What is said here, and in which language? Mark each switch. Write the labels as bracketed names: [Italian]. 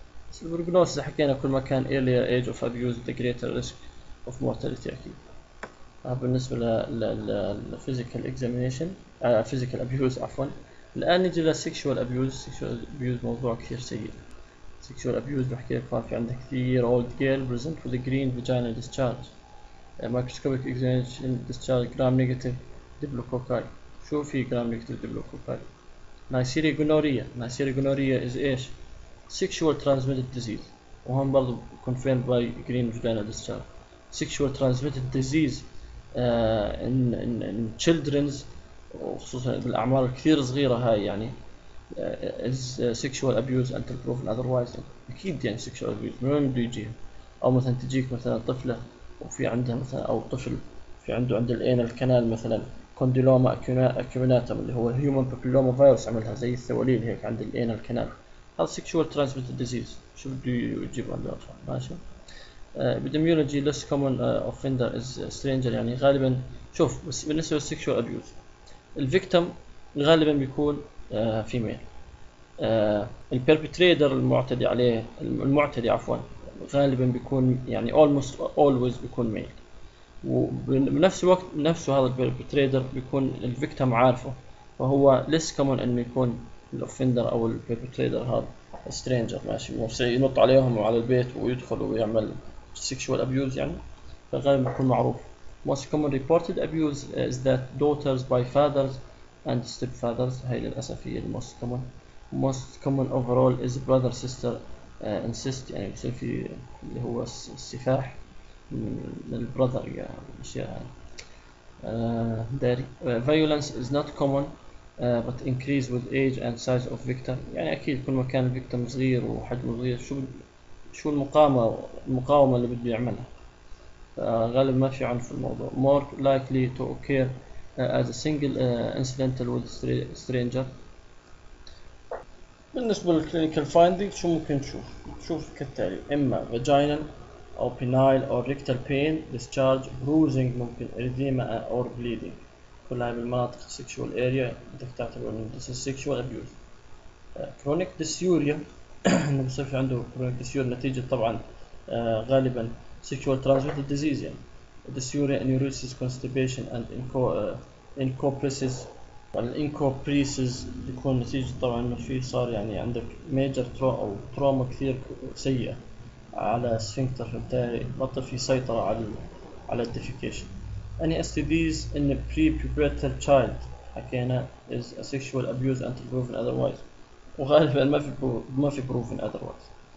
[Arabic] بس البروجنوسيس حكينا، كل ما كان [English] earlier age of abuse the greater risk of mortality. [Arabic] أكيد بالنسبة لل physical examination physical abuse عفوا. الآن نجي لل sexual abuse. sexual abuse موضوع كثير سيء. [English] sexual abuse [Arabic] بحكي لك، في عندك كثير [English] old girl present with a green vaginal discharge microscopic examination discharge gram negative diplococci. [Arabic] شو في [English] gram negative diplococci؟ Neisseria gonorrhea. Neisseria gonorrhea is ايش؟ sexual transmitted disease، [Arabic] وهم برضو [English] confirmed by green vaginal discharge. sexual transmitted disease in children، [Arabic] وخصوصا بالاعمار الكثير صغيرة هاي، يعني [English] is sexual abuse until proven otherwise. [Arabic] اكيد يعني sexual abuse من وين بده يجيها؟ او مثلا تجيك مثلا طفلة وفي عندها مثلا، او طفل في عنده عند الان الكنال مثلا كونديلوما اكيوناتا اللي هو هيومن بابيلوما فيروس، عملها زي الثواليل هيك عند الان الكنال، هذا سيكشوال ترانسميتد ديزيز. شو بده يجيب عنده اطفال، ماشي. ابيديميولوجي ليست كومن اوفندر از سترينجر، يعني غالبا شوف، بس بالنسبه للسيكشوال ابيوز الفيكتم غالبا بيكون فيميل، البيربتريتر المعتدي عليه المعتدي عفوا غالبا بيكون يعني almost always بيكون ميل، وبنفس الوقت نفسه هذا البيربتريتر بيكون الفيكتم عارفه، فهو less common انه يكون الاوفندر او البيربتريتر هذا سترينجر ماشي ينط عليهم وعلى البيت ويدخل ويعمل sexual abuse يعني، فغالبا بيكون معروف. [English] Most common reported abuse is that daughters by fathers and stepfathers، [Arabic] هاي للأسف هي [English] most common. Most common overall is brother sister incest، [Arabic] يعني بصير في اللي هو السفاح من البراذر يا أشياء داري. [English] Violence is not common but increase with age and size of victim، [Arabic] يعني أكيد كل ما كان victim صغير وحجمه صغير شو المقاومة اللي بده يعملها، غالب ما في عنف في الموضوع. [English] More likely to occur as a single incidental with stranger. [Arabic] بالنسبة للكلينيكال فايندينج شو ممكن تشوف؟ تشوف كالتالي: إما vaginal أو penile أو rectal pain, discharge, bruising ممكن, erythema أو bleeding. كلها بالمناطق sexual area بدك تعتبر إنه this is sexual abuse. Chronic dysuria إنه بصير في عنده chronic dysuria نتيجة طبعا غالبا sexual transmitted disease يعني. [English] Dysuria enuresis constipation and encopresis. [Arabic] الانكوبريسز بيكون نتيجة طبعا انه في صار يعني عندك ميجر ترو او تروما كثير سيئة على السفنكتر، فبالتالي بطل في سيطرة على الديفيكيشن. [English] Any STDs in a pre-pubertal child حكينا is a sexual abuse until proven otherwise، [Arabic] وغالبا ما في [English] proven otherwise.